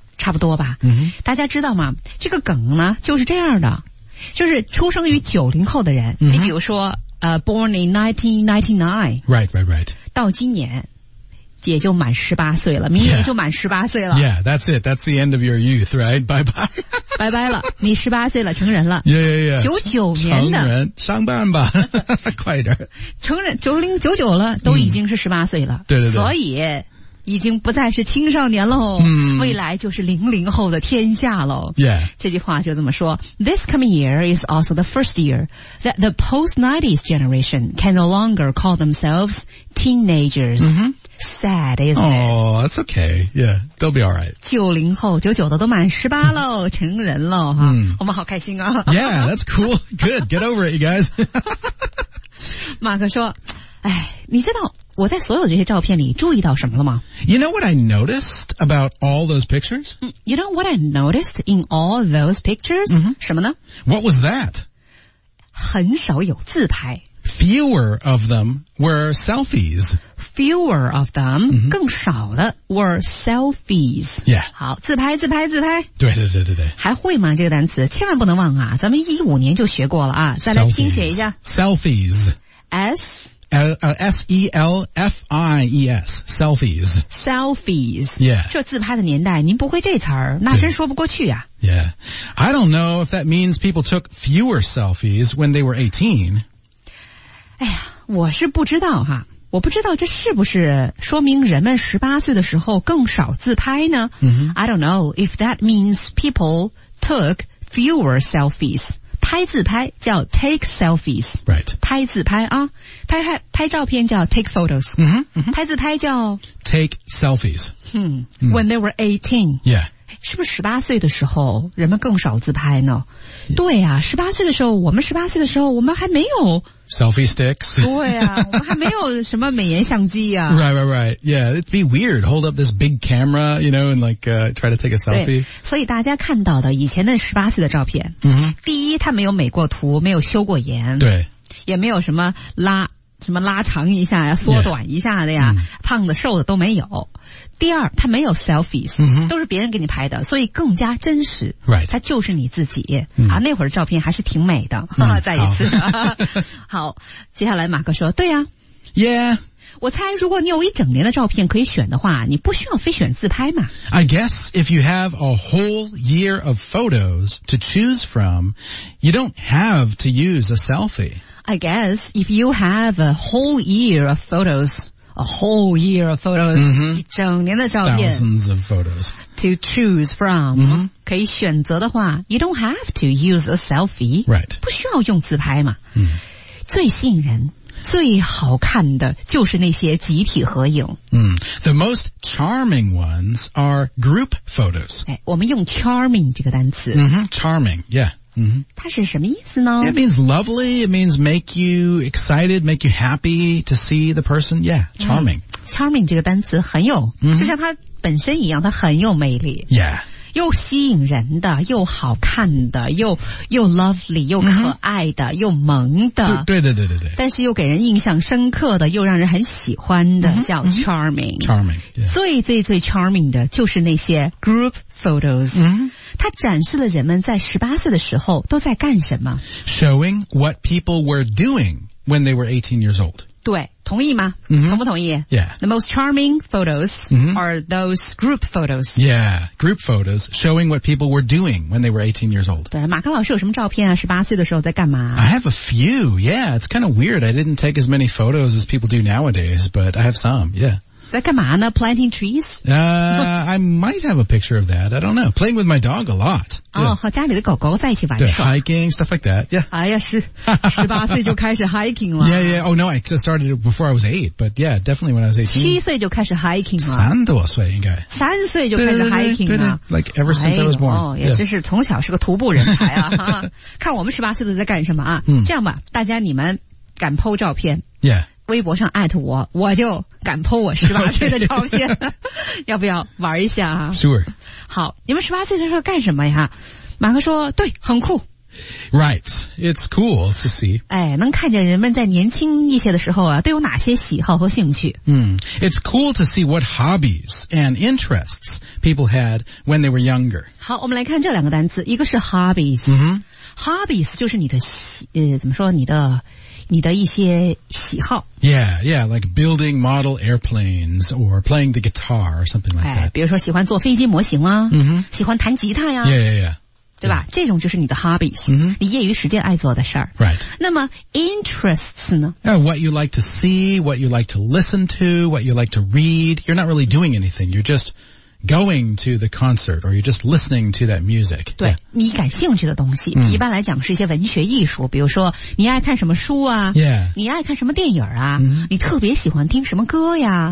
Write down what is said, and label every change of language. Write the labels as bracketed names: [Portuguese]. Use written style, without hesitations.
[Chinese] 差不多吧、大家知道吗这个梗呢就是这样的就是出生于90后的人、你比如说 [English] born in 1999 right [Chinese] 到今年也就满18岁了明年就满18岁了 [English] yeah that's it that's the end of your youth right bye bye [Chinese] 拜拜了你18岁了成人了 [English] yeah [Chinese] 99年的成人上班吧快点成人9099了都已经是18岁了、对对对所以已经不再是青少年了、未来就是00后的天下了、这句话就这么说 [English] This coming year is also the first year that the post-90s generation can no longer call themselves teenagers、Sad, isn't it? Oh, that's okay Yeah, they'll be alright [Chinese] 90后99的都满18了成人了哈、我们好开心啊 [English] Yeah, that's cool Good, get over it, you guys [Chinese] 马克说哎，你知道我在所有这些照片里注意到什么了吗 [English] You know what I noticed about all those pictures? You know what I noticed in all those pictures?、 [Chinese] 什么呢 [English] What was that? [Chinese] 很少有自拍 [English] Fewer of them were selfies Fewer of them、 [Chinese] 更少的 [English] were selfies Yeah [Chinese] 好自拍自拍自拍对还会吗这个单词千万不能忘啊咱们15年就学过了啊再来拼写一下 [English] Selfies S SELFIES, selfies. Selfies. Yeah. [Chinese] 这自拍的年代您不会这词儿那真说不过去啊。 [English] Yeah. I don't know if that means people took fewer selfies when they were 18. [Chinese] 哎呀我是不知道哈。我不知道这是不是说明人们18岁的时候更少自拍呢、 [English] I don't know if that means people took fewer selfies. [Chinese] 拍自拍叫 [English] take selfies、 right. [Chinese] 拍自拍啊拍照片叫 [English] take photos、 [Chinese] 拍自拍叫 [English] take selfies、 when they were 18、 yeah. [Chinese] 是不是18岁的时候人们更少自拍呢、 [English] yeah. [Chinese] 对啊18岁的时候我们18岁的时候我们还没有 [English] selfie sticks [Chinese] 对啊我们还没有什么美颜相机啊 [English] right yeah it'd be weird hold up this big camera you know and like、try to take a selfie [Chinese] 所以大家看到的以前的18岁的照片、第一他没有美过图没有修过颜对也没有什么拉什么拉长一下呀、缩短一下的呀、胖的瘦的都没有。第二，他没有 selfies，都是别人给你拍的，所以更加真实。 [English] Right. [Chinese] 他就是你自己。啊，那会儿的照片还是挺美的。再一次。好, 好，接下来马克说，对呀、 [English] Yeah. [Chinese] 我猜如果你有一整年的照片可以选的话，你不需要非选自拍嘛。 [English] I guess if you have a whole year of photos to choose from, you don't have to use a selfie. I guess if you have a whole year of photos, a whole year of photos, [Chinese] 一整年的照片 [English] thousands of photos, to choose from, [Chinese] 可以选择的话 [English] you don't have to use a selfie. Right. [Chinese] 不需要用自拍嘛。最吸引人最好看的就是那些集体合影。 [English] The most charming ones are group photos. [Chinese] 我们用 charming 这个单词。 [English] Charming, yeah. [Chinese] 它是什么意思呢? [English] It means lovely, it means make you excited, make you happy to see the person. Yeah, charming. [Chinese] Charming 这个单词很有、就像它本身一样它很有魅力。 [English] Yeah. [Chinese] 又吸引人的又好看的又 lovely 又可爱的、又萌的对但是又给人印象深刻的又让人很喜欢的叫 charming [English] charming、yeah. [Chinese] 最最最 charming 的就是那些 group photos 它展示了人们在18岁的时候都在干什么 [English] showing what people were doing when they were 18 years old [Chinese] 对同意吗、同不同意 [English] Yeah. The most charming photos、are those group photos. Yeah, group photos showing what people were doing when they were 18 years old. [Chinese] 对，马克老师有什么照片啊 ?18 岁的时候在干嘛 [English] I have a few, yeah. It's kind of weird. I didn't take as many photos as people do nowadays, but I have some, yeah. [Chinese] 在干嘛呢 ? [English] Planting trees? I might have a picture of that. I don't know. Playing with my dog a lot. 哦、yeah. [Chinese] 和家里的狗狗在一起玩耍。对 [English] ,hiking, stuff like that. Yeah. [Chinese] 哎呀是 ,18 岁就开始 hiking 了。 [English] Yeah, yeah. Oh no, I just started before I was 8, but yeah, definitely when I was 18. [Chinese] 7岁就开始 hiking 了。三多岁应该。三岁就开始 hiking 了。 [English] 对 like ever since、I was born. 哦、yeah. [Chinese] 也真是从小是个徒步人才啊。看我们18岁的在干什么啊。这样吧大家你们敢 po 照片。 [English] Yeah. [Chinese] 微博上 at 我，我就敢 po 我十八岁的照片， okay. 要不要玩一下啊 [English] ？Sure。 [Chinese] 好，你们十八岁的时候干什么呀？马克说，对，很酷。 [English] Right, it's cool to see. [Chinese] 哎，能看见人们在年轻一些的时候啊，都有哪些喜好和兴趣？ [English] It's cool to see what hobbies and interests people had when they were younger. [Chinese] 好，我们来看这两个单词，一个是 hobbies。Hobbies 就是你的怎么说你的一些喜好。 [English] Yeah, yeah, like building model airplanes or playing the guitar or something like that. [Chinese] 比如说喜欢做飞机模型啊、喜欢弹吉他呀。 [English] Yeah. [Chinese] 对吧、这种就是你的 hobbies,、你业余时间爱做的事儿。 [English] Right. [Chinese] 那么 interests 呢 [English] What you like to see, what you like to listen to, what you like to read. You're not really doing anything, you're just... going to the concert or you're just listening to that music [Chinese] 对、你感兴趣的东西、一般来讲是一些文学艺术比如说你爱看什么书啊、 [English] yeah. [Chinese] 你爱看什么电影啊、你特别喜欢听什么歌呀、